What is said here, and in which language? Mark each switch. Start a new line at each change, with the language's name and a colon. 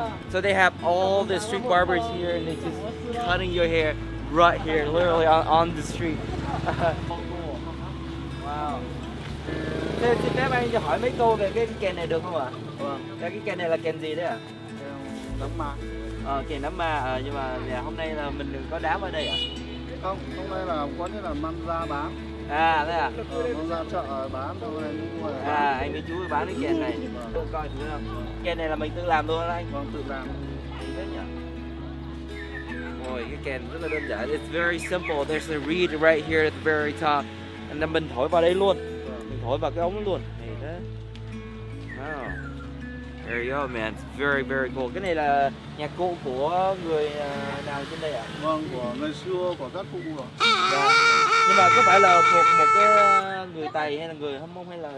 English: So they have all the street barbers here and they're just cutting your hair right here, literally on the street. Wow.
Vietnamese: Thế xin phép anh cho hỏi mấy câu về cái kèn này được không ạ? Vâng. Cái kèn này là kèn gì đấy ạ? Nấm ma. Kèn nấm ma, nhưng mà hôm nay là mình có đám ở đây ạ? Không, hôm nay là quán ấy là mang ra bán. À, thế ạ? Mang ra chợ bán thôi. À, anh với chú ấy bán cái kèn này. Tôi coi thử không? Kèn này là mình tự làm luôn anh? Vâng, tự làm. Ôi, cái kèn rất là đơn giản.
English: It's very simple. There's a reed right here at the very top. And then
Vietnamese: mình thổi vào đây luôn. Thổi vào cái ống luôn. Này thế.
English: Wow. There you go, man. It's very, very cool.
Vietnamese: Cái này là nhà cụ của người nào trên đây ạ? Vâng, của người xưa, của các cụ rồi. Nhưng mà có phải là thuộc một cái người Tày hay là người Hâm Mông hay là